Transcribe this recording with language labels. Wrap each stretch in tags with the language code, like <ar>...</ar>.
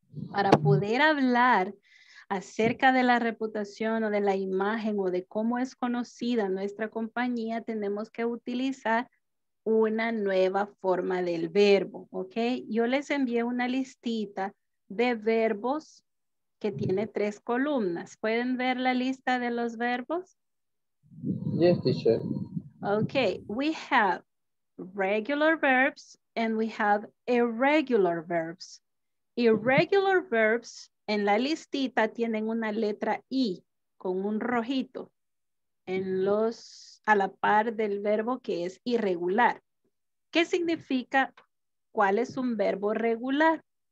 <es>Para poder hablar acerca de la reputación o de la imagen o de cómo es conocida nuestra compañía, tenemos que utilizar una nueva forma del verbo, ¿ok? Yo les envié una listita de verbos que tiene tres columnas. ¿Pueden ver la lista de los verbos?</es> <en>Yes, teacher. Ok, we have regular verbs and we have irregular verbs.</en> <es>Irregular verbs en la listita tienen una letra I con un rojito en los a la par del verbo que es irregular. ¿Qué significa cuál es un verbo regular?</es>